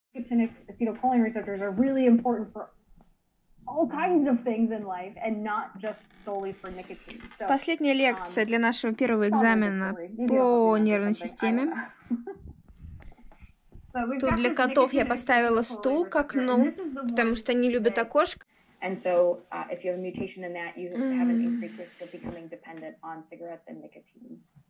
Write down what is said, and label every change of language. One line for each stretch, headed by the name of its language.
English: And acetylcholine receptors are really important for all kinds of things in life and not just solely for nicotine. So,
Russian: последняя лекция для нашего первого экзамена по нервной системе. Тут для котов я поставила стул к окну, потому что они любят окошко.
English: And so, if you have a mutation in that, you have an increased risk of becoming dependent on cigarettes and nicotine.